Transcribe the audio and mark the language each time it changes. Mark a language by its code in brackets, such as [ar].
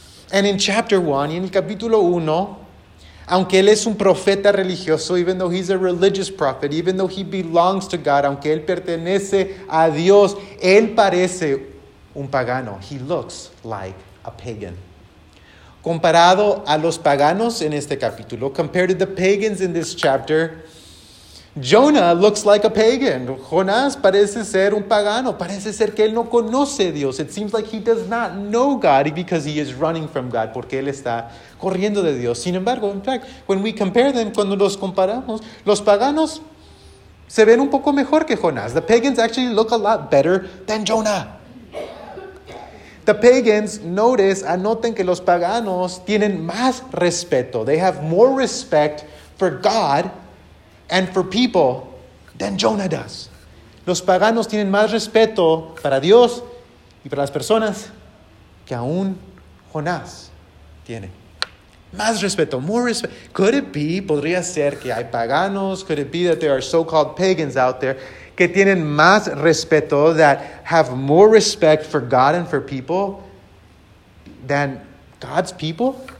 [en] And in chapter 1, [es] y en el capítulo 1, aunque él es un profeta religioso, [en] even though he's a religious prophet, even though he belongs to God, [es] aunque él pertenece a Dios, él parece un pagano. [en] He looks like a pagan. [es] Comparado a los paganos en este capítulo, [en] compared to the pagans in this chapter, Jonah looks like a pagan. [es] Jonás parece ser un pagano. Parece ser que él no conoce a Dios. [en] It seems like he does not know God because he is running from God. [es] Porque él está corriendo de Dios. Sin embargo, [en] in fact, when we compare them, [es] cuando los comparamos, los paganos se ven un poco mejor que Jonás. [en] The pagans actually look a lot better than Jonah. The pagans, notice, [es] anoten que los paganos tienen más respeto. [en] They have more respect for God and for people than Jonah does. [es] Los paganos tienen más respeto para Dios y para las personas que aún Jonás tiene. Más respeto, [en] more respect. Could it be, [es] podría ser que hay paganos, [en] could it be that there are so-called pagans out there [es] que tienen más respeto, [en] that have more respect for God and for people than God's people?